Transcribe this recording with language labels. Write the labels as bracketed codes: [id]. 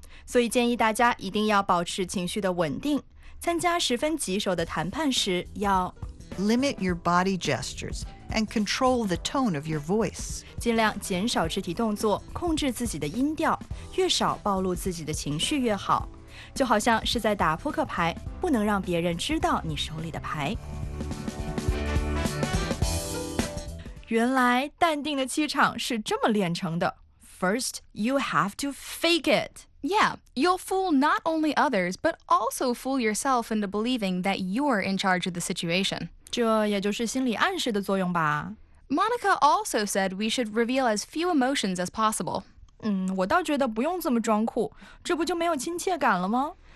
[zh] 所以建议大家一定要保持情绪的稳定，参加十分棘手的谈判时要 [en] Limit your body gestures and control the tone of your voice. [zh] 尽量减少肢体动作，控制自己的音调，越少暴露自己的情绪越好。就好像是在打扑克牌，不能让别人知道你手里的牌。原来淡定的气场是这么练成的。 [en] First, you have to fake it. Yeah, you'll fool not only others, but also fool yourself into believing that you're in charge of the situation. [zh] 这也就是心理暗示的作用吧。 [en] Monica also said we should reveal as few emotions as possible. [zh] 嗯，我倒觉得不用这么装酷，这不就没有亲切感了吗？